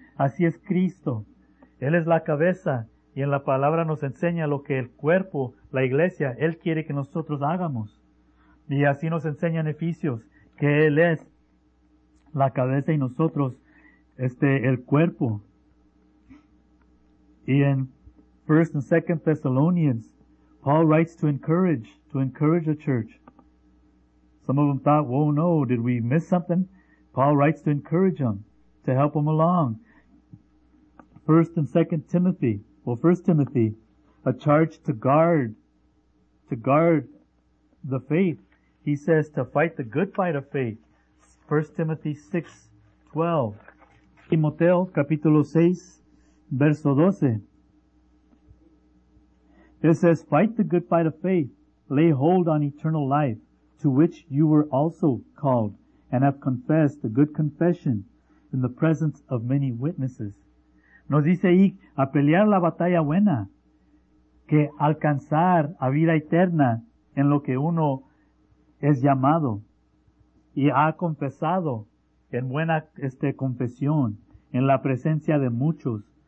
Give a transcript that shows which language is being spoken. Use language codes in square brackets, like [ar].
[es] Así es Cristo. Él es la cabeza y en la palabra nos enseña lo que el cuerpo, la iglesia, Él quiere que nosotros hagamos. Y así nos enseña en Efesios que Él es la cabeza y nosotros el cuerpo. [en] In 1st and 2nd Thessalonians, Paul writes to encourage the church. Some of them thought, whoa, no, did we miss something? Paul writes to encourage them, to help them along. 1st and 2nd Timothy, well, 1st Timothy, a charge to guard the faith. He says to fight the good fight of faith. 1 Timothy 6, 12. [es] Timoteo, capítulo 6, verso 12. [en] It says, fight the good fight of faith, lay hold on eternal life, to which you were also called, and have confessed the good confession in the presence of many witnesses. [es] Nos dice ahí, a pelear la batalla buena, que alcanzar a vida eterna en lo que uno es llamado y ha confesado en buena confesión en la presencia de muchos.